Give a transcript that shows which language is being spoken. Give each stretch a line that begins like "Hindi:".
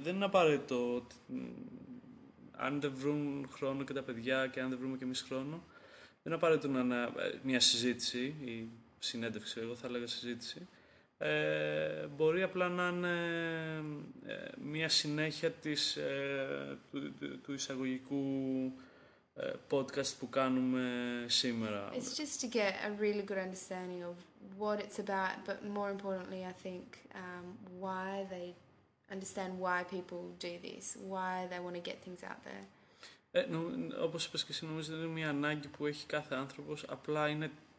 Greek: Δεν είναι απαραίτητο ότι αν δεν βρουν χρόνο και τα παιδιά και αν δεν βρούμε και εμείς χρόνο, δεν είναι απαραίτητο να είναι μια συζήτηση ή συνέντευξη, εγώ θα έλεγα συζήτηση. Μπορεί απλά να είναι μια συνέχεια της, του εισαγωγικού podcast που κάνουμε σήμερα.
English: It's just to get a really good understanding of what it's about, but more importantly, I think, why they understand why people do this, why they want to get things out there.
Greek: Όπως είπες και εσύ, νομίζω είναι μια ανάγκη που έχει κάθε άνθρωπος, απλά είναι...